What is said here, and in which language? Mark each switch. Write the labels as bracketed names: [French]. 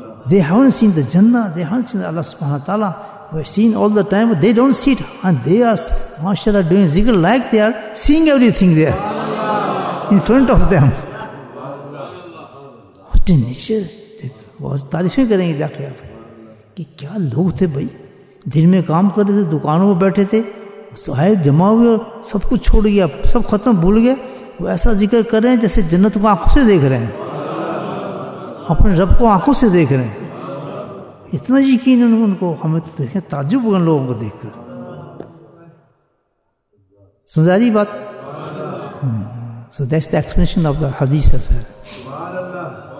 [English] They have seen the jannah, they have seen Allah سبحانہ تعالیٰ, we have seen all the time, they don't see it, and they are ماشاء اللہ doing dhikr like they are saying everything they are in front of them. What a nature. [Urdu] تعریفیں کریں گے جا کے آپ کہ کیا لوگ تھے بھائی, دن میں کام کر رہے تھے, دکانوں میں بیٹھے تھے, سہائے جمع ہوئے اور سب کچھ چھوڑ گیا, سب ختم بھول گیا, وہ ایسا ذکر کر رہے ہیں جیسے جنت کو آنکھوں سے دیکھ رہے ہیں, اپنے رب کو آنکھوں سے دیکھ رہے ہیں. اتنا یقین ہے ان کو, ہمیں تو دیکھیں تعجب ہوگا لوگوں کو دیکھ کر. سمجھا رہی بات؟ [English] So that's the explanation of the hadith as well.